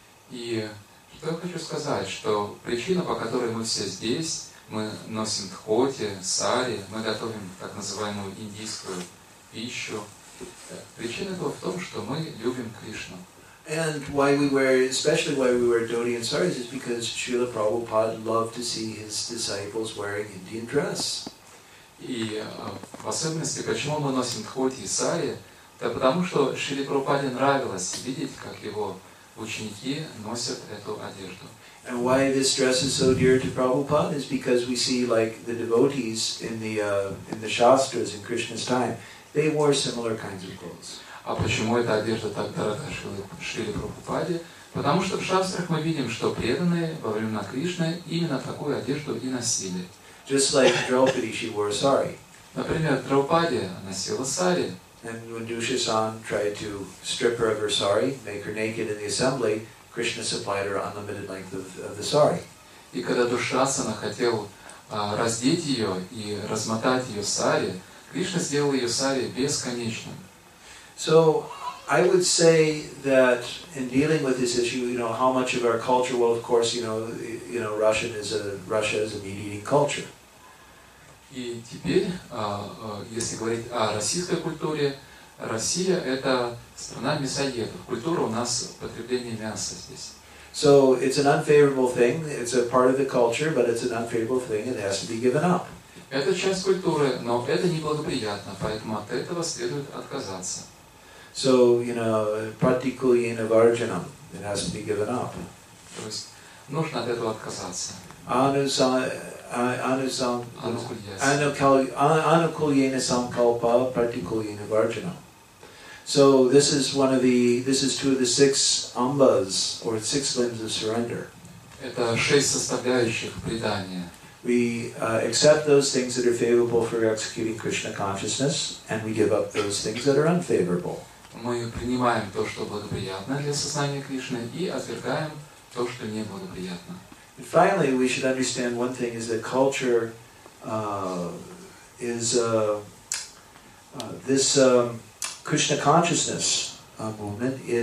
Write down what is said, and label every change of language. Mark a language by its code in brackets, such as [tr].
[ru] Я хочу сказать, что причина, по которой мы все здесь, мы носим дхоти, сари, мы готовим так называемую индийскую пищу, причина была в том, что мы любим Кришну. [en] And why we wear, especially why we wear dhoti and saris, is because Srila Prabhupada loved to see his disciples wearing Indian dress. [ru] И в особенности, почему мы носим дхоти и сари, это потому, что Шрила Прабхупаде нравилось видеть, как его ученики носят эту одежду. [en] And why this dress is so dear to Prabhupada is because we see, like, the devotees in the shastras in Krishna's time, they wore similar kinds of clothes. [ru] А почему эта одежда так дорога Шриле Прабхупаде? Потому что в шастрах мы видим, что преданные во времена Кришны именно такую одежду и носили. [en] Just like Draupadi, she wore sari. [ru] Например, Драупади носила сари. [en] And when Dushasan tried to strip her of her sari, make her naked in the assembly, Krishna supplied her unlimited length of the sari. [ru] И когда Душасана хотел раздеть ее и размотать ее сари, Кришна сделал ее сари бесконечным. [en] So I would say that in dealing with this issue, you know, how much of our culture, well, of course, you know, Russia is a meat-eating culture. [ru] И теперь, если говорить о российской культуре, Россия – это страна мясоедов. Культура у нас – потребление мяса здесь. [en] So it's an unfavorable thing. It's a part of the culture, but it's an unfavorable thing. It has to be given up. [ru] Это часть культуры, но это неблагоприятно, поэтому от этого следует отказаться. [en] So, you know, [sa] pratikulina varjanam. [en] It has to be given up. [ru] То есть нужно от этого отказаться. [sa] Anukulyena sankalpa, pratikulyena varjanam. [en] So this is one of the, this is two of the six ambas, or six limbs of surrender. [ru] Это шесть составляющих предания. [en] We accept those things that are favorable for executing Krishna consciousness, and we give up those things that are unfavorable. [ru] Мы принимаем то, что благоприятно для сознания Кришны, и отвергаем то, что неблагоприятно. [en] And finally, we should understand one thing is that culture is this Krishna consciousness movement.